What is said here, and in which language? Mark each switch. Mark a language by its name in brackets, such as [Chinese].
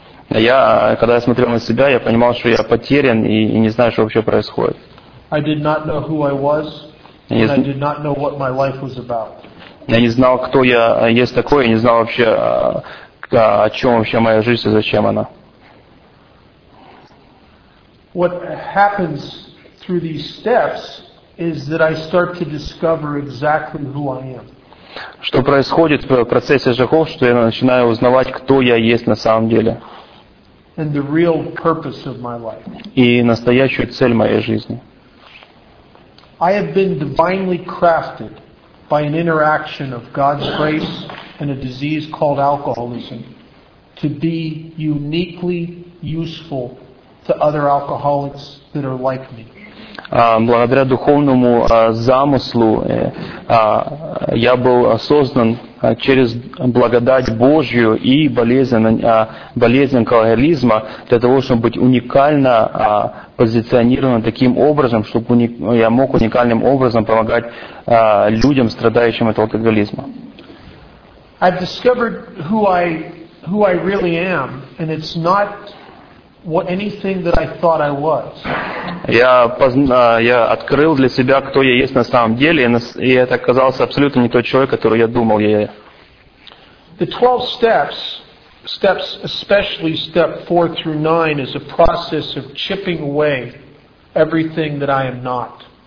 [Russian] Я, когда я смотрел на себя, я понимал, что я потерян и не знаю, что вообще происходит. [English] I did not know who I was. And I did not know what my life was about. [Russian] Я не знал, кто я есть такой, я не знал вообще, о чем вообще моя жизнь и зачем она. [English] What happens through these steps is that I start to discover exactly who I am. [Russian] Что происходит в процессе шагов, что я начинаю узнавать, кто я есть на самом деле. [English] And the real purpose of my life. [Russian] И настоящую цель моей жизни. [English] I have been divinely crafted by an interaction of God's grace and a disease called alcoholism to be uniquely useful to other alcoholics that are like me. [Russian] Благодаря духовному замыслу я был создан через благодать Божью и болезнь алкоголизма для того, чтобы быть уникально позиционирован таким образом, чтобы я мог уникальным образом помогать людям, страдающим от алкоголизма. [English] I've discovered who I really am, and it's not what anything that I thought I was. [Russian] Я открыл для себя, кто я есть на самом деле, и это оказался абсолютно не тот человек, который я думал я. [English] The 12 steps, especially step 4 through 9, is a process of chipping away everything that I am not.